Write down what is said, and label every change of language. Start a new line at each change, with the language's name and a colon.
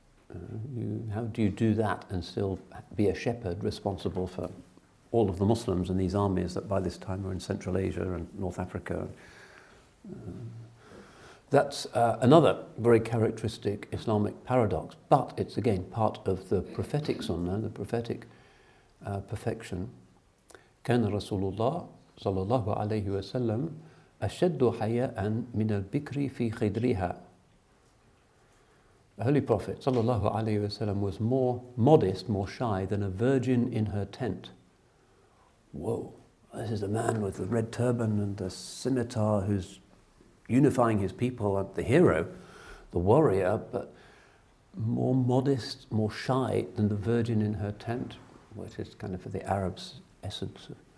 English: How do you do that and still be a shepherd responsible for all of the Muslims and these armies that by this time are in Central Asia and North Africa? That's another very characteristic Islamic paradox, but it's again part of the prophetic sunnah, the prophetic perfection.
Arabic: كان رسول الله صلى الله عليه وسلم أشد حياء من البكر في خدرها.
English: The Holy Prophet sallallahu alayhi wa sallam was more modest, more shy than a virgin in her tent. Whoa, this is a man with the red turban and the scimitar who's unifying his people, and the hero, the warrior, but more modest, more shy than the virgin in her tent, which is kind of the Arab's essence.